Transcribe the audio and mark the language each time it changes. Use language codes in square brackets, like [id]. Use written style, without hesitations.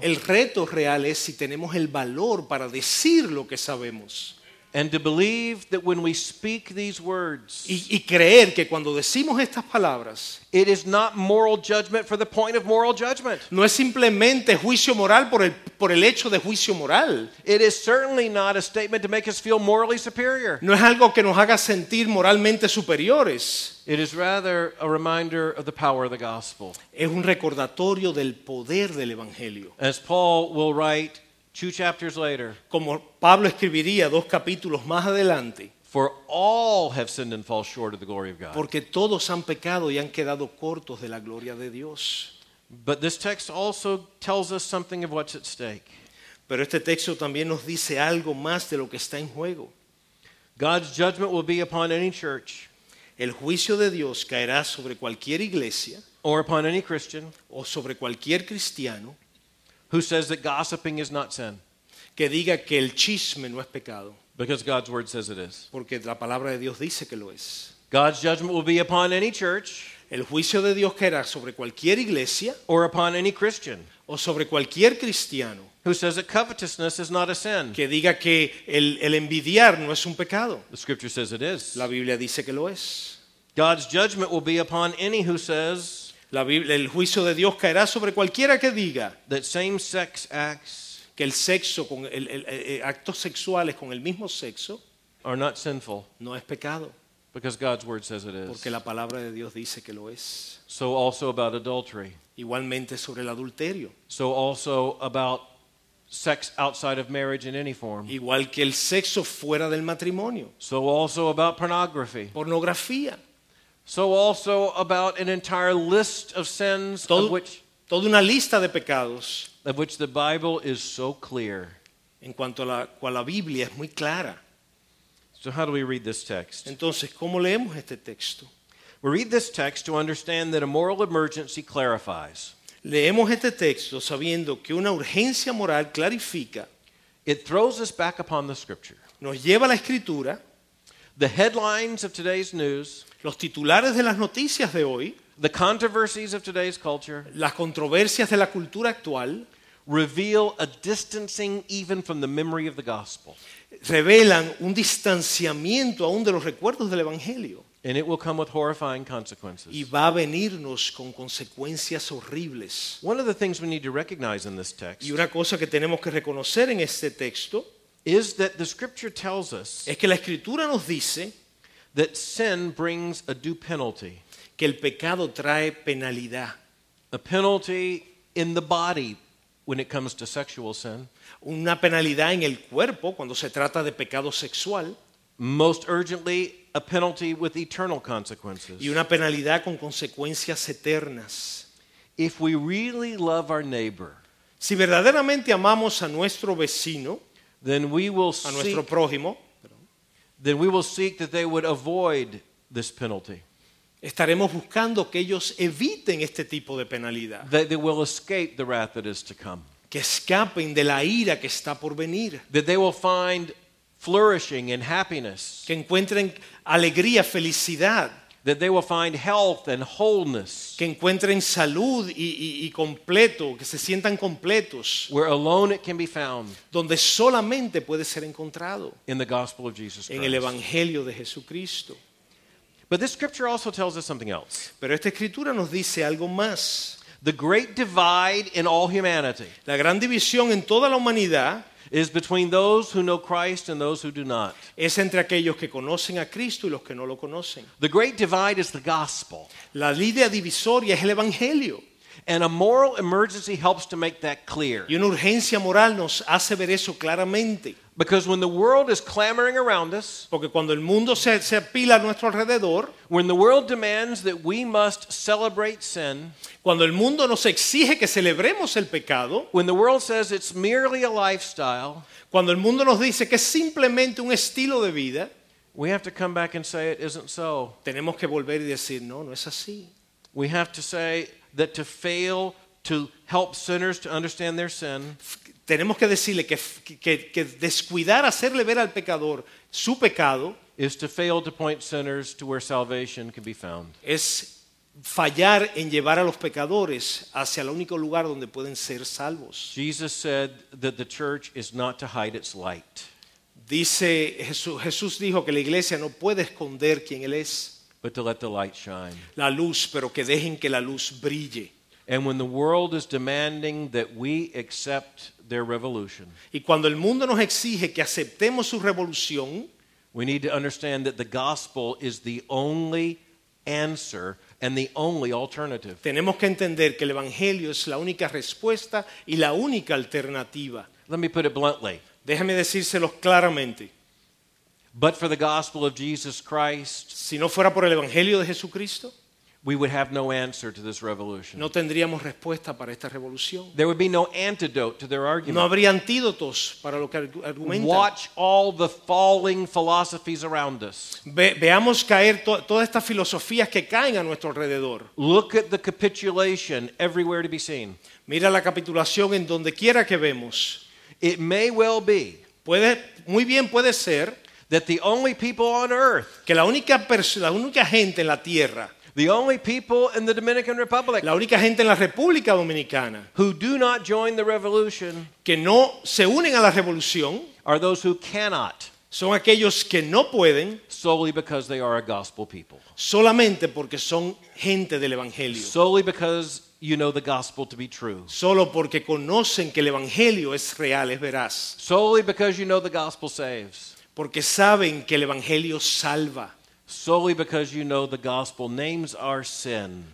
[es] El reto real es si tenemos el valor para decir lo que sabemos. [en] And to believe that when we speak these words, [es] y creer que cuando decimos estas palabras, [en] it is not moral judgment for the point of moral judgment. [es] No es simplemente juicio moral por el hecho de juicio moral. [en] It is certainly not a statement to make us feel morally superior. [es] No es algo que nos haga sentir moralmente superiores. [en] It is rather a reminder of the power of the gospel. [es] Es un recordatorio del poder del evangelio. [en] As Paul will write 2 chapters later, [es] como Pablo escribiría 2 capítulos más adelante, [en] for all have sinned and fall short of the glory of God. [es] Porque todos han pecado y han quedado cortos de la gloria de Dios. [en] But this text also tells us something of what's at stake. [es] Pero este texto también nos dice algo más de lo que está en juego. [en] God's judgment will be upon any church. [es] El juicio de Dios caerá sobre cualquier iglesia. [en] Or upon any Christian. [es] O sobre cualquier cristiano. [en] Who says that gossiping is not sin. [es] Que diga que el chisme no es pecado. [en] Because God's word says it is. [es] Porque la palabra de Dios dice que lo es. [en] God's judgment will be upon any church. [es] El juicio de Dios caerá sobre cualquier iglesia. [en] Or upon any Christian. [es] O sobre cualquier cristiano. [en] Who says that covetousness is not a sin. [es] Que diga que el envidiar no es un pecado. [en] The scripture says it is. [es] La Biblia dice que lo es. [en] God's judgment will be upon any who says. [es] El juicio de Dios caerá sobre cualquiera que diga. [en] That same-sex acts. [es] Que el sexo con el actos sexuales con el mismo sexo [en] are not sinful, [es] no es pecado, [en] because God's word says it is. [es] Porque la palabra de Dios dice que lo es. [en] So also about adultery. [es] Igualmente sobre el adulterio. [en] So also about sex outside of marriage in any form. [es] Igual que el sexo fuera del matrimonio. [en] So also about pornography. [es] Pornografía. [en] So also about an entire list of sins of which [es] toda una lista de pecados. [en] Of which the Bible is so clear. [es] En cuanto a la cual la Biblia es muy clara. [en] So how do we read this text? [es] Entonces, ¿cómo leemos este texto? [en] We read this text to understand that a moral emergency clarifies. [es] Leemos este texto sabiendo que una urgencia moral clarifica. [en] It throws us back upon the scripture. [es] Nos lleva a la escritura. [en] The headlines of today's news. [es] Los titulares de las noticias de hoy. [en] The controversies of today's culture, [es] las controversias de la cultura actual, [en] reveal a distancing even from the memory of the gospel. [es] Revelan un distanciamiento aún de los recuerdos del evangelio. [en] And it will come with horrifying consequences. [es] Y va a venirnos con consecuencias horribles. [en] One of the things we need to recognize in this text, [es] y una cosa que tenemos que reconocer en este texto, [en] is that the scripture tells us, [es] es que la escritura nos dice, [en] that sin brings a due penalty. [es] Que el pecado trae penalidad. [en] A penalty in the body when it comes to sexual sin. [es] Una penalidad en el cuerpo cuando se trata de pecado sexual. [en] Most urgently, a penalty with eternal consequences. [es] Y una penalidad con consecuencias eternas. [en] If we really love our neighbor, [es] si verdaderamente amamos a nuestro vecino, [en] then we will [es] a nuestro prójimo, [en] then we will seek that they would avoid this penalty. [es] Estaremos buscando que ellos eviten este tipo de penalidad. [en] That they will escape the wrath that is to come. [es] Que escapen de la ira que está por venir. [en] That they will find flourishing and happiness. [es] Que encuentren alegría, felicidad. [en] That they will find health and wholeness. [es] Que encuentren salud y completo, que se sientan completos. [en] Where alone it can be found. [es] Donde solamente puede ser encontrado. [en] In the gospel of Jesus Christ. [es] En el evangelio de Jesucristo. [en] But this scripture also tells us something else. [es] Pero esta escritura nos dice algo más. [en] The great divide in all humanity. [es] La gran división en toda la humanidad [en] is between those who know Christ and those who do not. [es] Es entre aquellos que conocen a Cristo y los que no lo conocen. [en] The great divide is the gospel. [es] La línea divisoria es el evangelio. [en] And a moral emergency helps to make that clear. [es] Y una urgencia moral nos hace ver eso claramente. [en] Because when the world is clamoring around us, [es] porque cuando el mundo se apila a nuestro alrededor, [en] when the world demands that we must celebrate sin, [es] cuando el mundo nos exige que celebremos el pecado, [en] when the world says it's merely a lifestyle, [es] cuando el mundo nos dice que es simplemente un estilo de vida, [en] we have to come back and say it isn't so. [es] Tenemos que volver y decir no, no es así. [en] We have to say that to fail to help sinners to understand their sin. [es] Tenemos que decirle que descuidar hacerle ver al pecador su pecado [en] is to fail to point sinners to where salvation can be found. [es] Es fallar en llevar a los pecadores hacia el único lugar donde pueden ser salvos. [en] Jesus said that the church is not to hide its light. [es] Dice Jesús dijo que la iglesia no puede esconder quién él es. [en] But to let the light shine. [es] La luz, pero que dejen que la luz brille. [en] And when the world is demanding that we accept their revolution. [es] Y cuando el mundo nos exige que aceptemos su revolución, [en] we need to understand that the gospel is the only answer and the only alternative. [es] Tenemos que entender que el evangelio es la única respuesta y la única alternativa. [en] Let me put it bluntly. [es] Déjame decírselos claramente. [en] But for the gospel of Jesus Christ, [es] si no fuera por el evangelio de Jesucristo, [en] We would have no answer to this revolution. [es] No tendríamos respuesta para esta revolución. [en] There would be no antidote to their argument. [es] No habría antídotos para lo que argumentan. [en] Watch all the falling philosophies around us. [es] Veamos caer todas estas filosofías que caen a nuestro alrededor. [en] Look at the capitulation everywhere to be seen. [es] Mira la capitulación en donde quiera que vemos. [en] It may well be. [es] Puede, muy bien puede ser. [en] That the only people on earth. [es] Que la única gente en la tierra. [en] The only people in the Dominican Republic. [es] La única gente en la República Dominicana. [en] Who do not join the revolution. [es] Que no se unen a la revolución. [en] Are those who cannot. [es] Son aquellos que no pueden. [en] Solely because they are a gospel people. [es] Solamente porque son gente del evangelio. [en] Solely because you know the gospel to be true. [es] Solo porque conocen que el evangelio es real, es veraz. [en] Solely because you know the gospel saves. [es] Porque saben que el evangelio salva. [en] Solely because you know the gospel names our sin.